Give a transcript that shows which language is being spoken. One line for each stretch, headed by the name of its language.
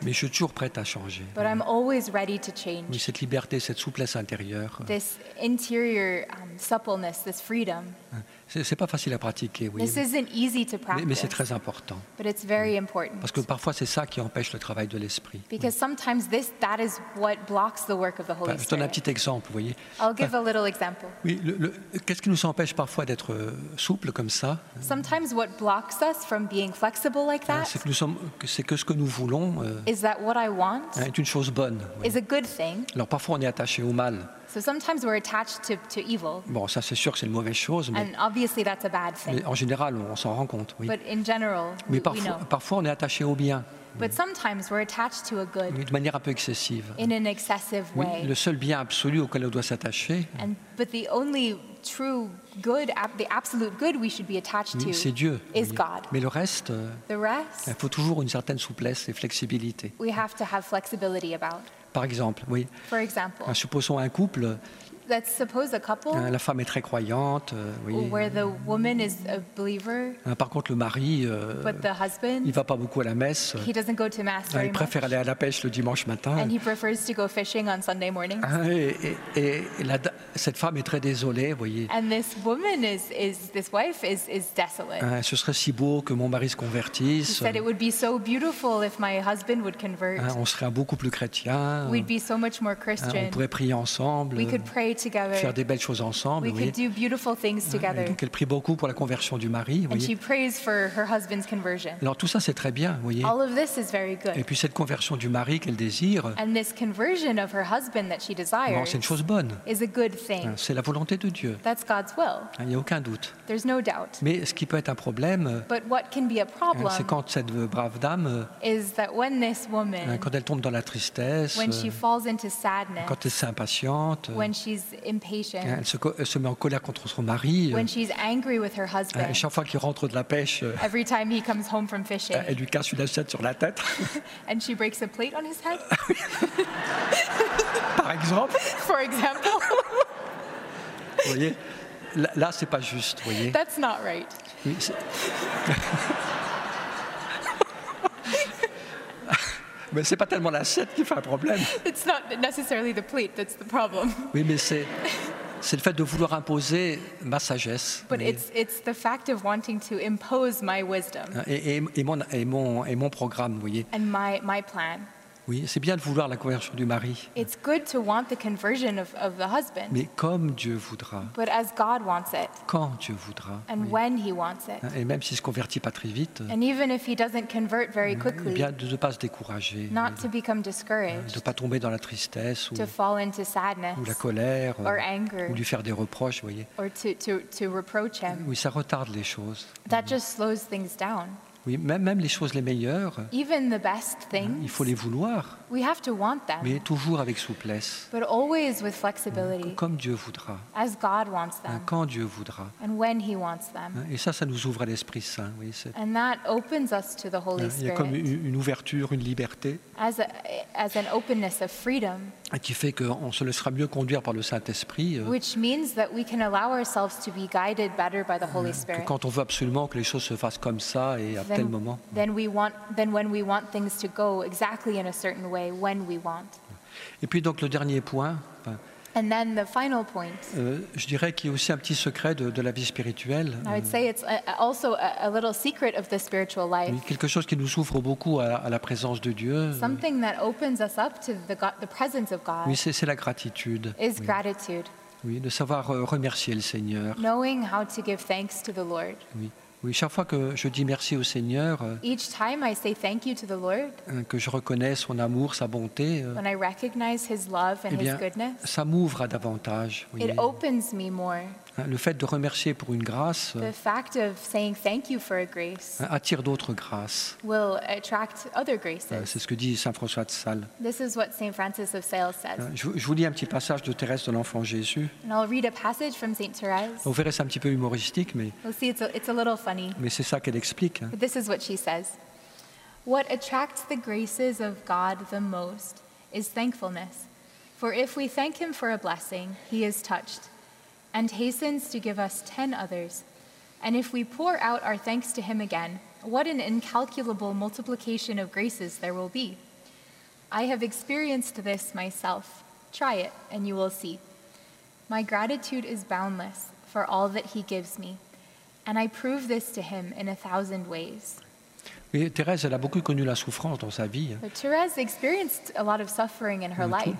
French: Mais je suis toujours prête à changer.
English: But I'm always ready to change.
French: Mais cette liberté, cette souplesse intérieure.
English: This interior suppleness, this freedom.
French: C'est pas facile à pratiquer, oui.
English: This isn't easy to practice,
French: mais c'est très important.
English: But it's very important.
French: Parce que parfois c'est ça qui empêche le travail de l'esprit.
English: Because oui. Sometimes that is what blocks the work of the Holy Spirit.
French: Je donne un petit exemple, voyez.
English: I'll give a little example.
French: Oui, qu'est-ce qui nous empêche parfois d'être souple comme ça?
English: Sometimes what blocks us from being flexible like that?
French: C'est que ce que nous voulons.
English: Is that what I want?
French: Est une chose bonne.
English: Is a good thing.
French: Alors parfois on est attaché au mal.
English: So sometimes we're attached to evil.
French: Bon, ça c'est sûr que c'est une mauvaise chose, mais.
English: And obviously that's a bad thing.
French: Mais en général, on s'en rend compte, oui.
English: But in general,
French: mais parfois,
English: we know.
French: Parfois, on est attaché au bien.
English: But sometimes we're attached to a good.
French: De manière un peu excessive.
English: In an excessive way.
French: Oui, le seul bien absolu auquel on doit s'attacher.
English: And but the only true good, the absolute good we should be attached to,
French: c'est Dieu,
English: is
French: oui.
English: God.
French: Mais le reste.
English: The rest.
French: Il faut toujours une certaine souplesse et flexibilité.
English: We have to have flexibility about.
French: Par exemple, oui.
English: For example,
French: supposons un couple.
English: Let's suppose a couple.
French: La femme est très croyante, oui.
English: Where the woman is a believer.
French: Par contre, le mari.
English: But the husband.
French: Il va pas beaucoup à la messe.
English: He doesn't go to mass very
French: much. Il préfère aller à la pêche le dimanche matin.
English: And he prefers to go fishing on Sunday mornings.
French: Et cette femme est très désolée, voyez.
English: And this woman this wife is desolate.
French: Ce serait si beau que mon mari se convertisse.
English: He said it would be so beautiful if my husband would convert.
French: On serait beaucoup plus chrétiens.
English: We'd be so much more Christian.
French: On pourrait prier ensemble.
English: We could pray. Together.
French: Faire des belles choses ensemble.
English: We could do beautiful things together.
French: Donc elle prie beaucoup pour la conversion du mari.
English: And she prays for her husband's conversion.
French: Alors tout ça c'est très bien, voyez.
English: All of this is very good.
French: Et puis cette conversion du mari qu'elle désire.
English: And this conversion of her husband that she desires.
French: Bon, c'est une chose bonne.
English: Is a good thing.
French: C'est la volonté de Dieu.
English: That's God's will.
French: Il n'y a aucun doute.
English: There's no doubt.
French: Mais ce qui peut être un problème.
English: But what can be a problem?
French: C'est quand cette brave dame.
English: Is that when this woman.
French: Quand elle tombe dans la tristesse.
English: When she falls into sadness.
French: Quand elle s'impatiente.
English: When she's impatient.
French: Elle se met en colère contre son mari.
English: When she's angry with her husband.
French: Chaque fois qu'il rentre de la pêche.
English: Every time he comes home from fishing.
French: Elle lui casse une assiette sur la tête.
English: And she breaks a plate on his head.
French: Par exemple.
English: For example.
French: Vous voyez, là c'est pas juste, vous voyez.
English: That's not right.
French: Mais c'est pas tellement l'assiette qui fait un problème.
English: It's not necessarily the plate that's the problem.
French: Oui, mais c'est le fait de vouloir imposer ma sagesse.
English: But it's the fact of wanting to impose my wisdom.
French: Et mon programme, vous voyez.
English: And my plan.
French: Oui, c'est bien de vouloir la conversion du mari.
English: It's good to want the conversion of the husband.
French: Mais comme Dieu voudra.
English: But as God wants it.
French: Quand Dieu voudra.
English: And
French: oui.
English: When he wants it.
French: Et même s'il ne se convertit pas très vite.
English: And even if he doesn't convert very quickly.
French: Bien de ne pas se décourager.
English: Not to become discouraged.
French: De ne pas tomber dans la tristesse.
English: To fall into sadness.
French: Ou la colère.
English: Or anger.
French: Ou lui faire des reproches, vous voyez.
English: Or to reproach him.
French: Oui, ça retarde les choses.
English: That just slows things down.
French: Oui, même les choses les meilleures,
English: even the best things,
French: il faut les vouloir,
English: we have to want them,
French: mais toujours avec souplesse,
English: but always with flexibility,
French: comme Dieu voudra,
English: as God wants them,
French: quand Dieu voudra,
English: and when he wants them.
French: Et ça nous ouvre à l'Esprit Saint. Oui,
English: and that opens us to the Holy Spirit.
French: Il y a comme une ouverture, une liberté,
English: as an openness of freedom,
French: qui fait qu'on se laissera mieux conduire par le Saint-Esprit,
English: which means that we can allow ourselves to be guided better by the Holy Spirit.
French: Quand on veut absolument que les choses se fassent comme ça et à tel moment.
English: Then when we want things to go exactly in a certain way, when we want.
French: Et puis donc le dernier point.
English: And then the final point.
French: Je dirais qu'il y a aussi un petit secret de la vie spirituelle.
English: I would say it's also a little secret of the spiritual life.
French: Oui, quelque chose qui nous ouvre beaucoup à la présence de Dieu.
English: Something that opens us up to the presence of God.
French: Oui, c'est la gratitude.
English: Is gratitude.
French: Oui, de savoir remercier le Seigneur.
English: Knowing how to give thanks to the Lord.
French: Oui. Oui, chaque fois que je dis merci au Seigneur,
English: each time I say thank you to the Lord,
French: que je reconnais son amour, sa bonté,
English: when I recognize his love and his goodness,
French: ça m'ouvre à davantage.
English: Oui. It opens me more.
French: Le fait de remercier pour une grâce,
English: the fact of saying thank you for a grace,
French: attire d'autres grâces.
English: Will attract other graces.
French: C'est ce que dit Saint François de Sales.
English: This is what Saint Francis of Sales says.
French: Je vous lis un petit passage de Thérèse de l'Enfant Jésus.
English: And I'll read a passage from Saint Thérèse.
French: Vous verrez, c'est un petit peu humoristique, mais
English: we'll see, it's a little funny.
French: Mais c'est ça qu'elle explique.
English: But this is what she says. What attracts the graces of God the most is thankfulness. For if we thank him for a blessing, he is touched and hastens to give us 10 others. And if we pour out our thanks to him again, what an incalculable multiplication of graces there will be. I have experienced this myself. Try it, and you will see. My gratitude is boundless for all that he gives me, and I prove this to him in 1,000 ways.
French: Mais Thérèse, elle a beaucoup connu la souffrance dans sa vie.
English: But Thérèse experienced a lot of suffering in her life.